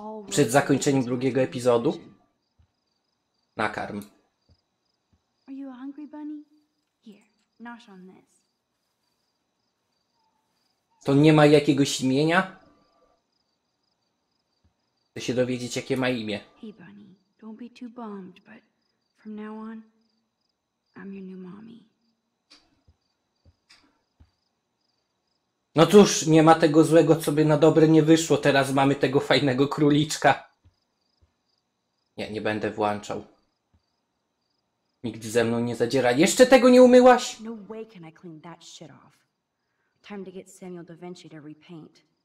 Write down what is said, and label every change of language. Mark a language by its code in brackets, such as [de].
[pl] Przed zakończeniem drugiego epizodu? Nakarm. [en] Are you hungry, bunny? Here, nosh on this. [pl] To nie ma jakiegoś imienia? Chcę się dowiedzieć, jakie ma imię. [en] Hey bunny, don't be too bummed, but from now on, I'm your new mommy. [pl] No cóż, nie ma tego złego, co by na dobre nie wyszło. Teraz mamy tego fajnego króliczka. Nie będę włączał. Nigdy ze mną nie zadziera. Jeszcze tego nie umyłaś? [en] No way can I clean that shit off. Time to get Samuel da Vinci to repaint.